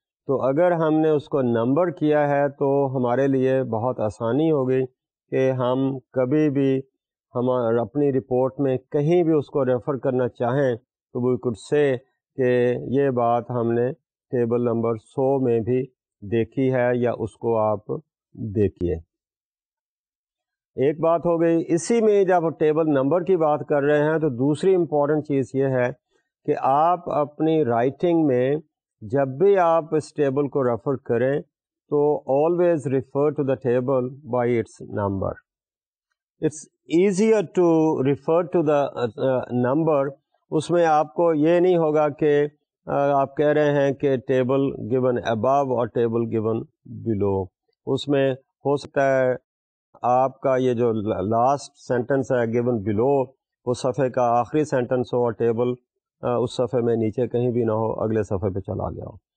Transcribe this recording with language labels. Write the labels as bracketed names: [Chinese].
[Urdu] تو اگر ہم نے اس کو نمبر کیا ہے تو ہمارے لیے بہت آسانی ہوگی کہ ہم کبھی بھی ہم اپنی رپورٹ میں کہیں بھی اس کو ریفر کرنا چاہیں تو وی کڈ سے کہ یہ بات ہم نے ٹیبل نمبر 100 میں بھی دیکھی ہے یا اس کو آپ دیکھیے. ایک بات ہو گئی. اسی میں جب ٹیبل نمبر کی بات کر رہے ہیں تو دوسری امپورٹنٹ چیز یہ ہے کہ آپ اپنی رائٹنگ میں جب بھی آپ اس ٹیبل کو ریفر کریں تو [English] Always refer to the table by its number. It's easier to refer to the number. [Urdu] اس میں آپ کو یہ نہیں ہوگا کہ آپ کہہ رہے ہیں کہ ٹیبل گیون ابو اور ٹیبل گیون بلو. اس میں ہو سکتا ہے آپ کا یہ جو لاسٹ سینٹنس ہے گیون بلو اس صفحے کا آخری سینٹنس ہو اور ٹیبل اس صفحے میں نیچے کہیں بھی نہ ہو, اگلے صفحے پہ چلا گیا ہو.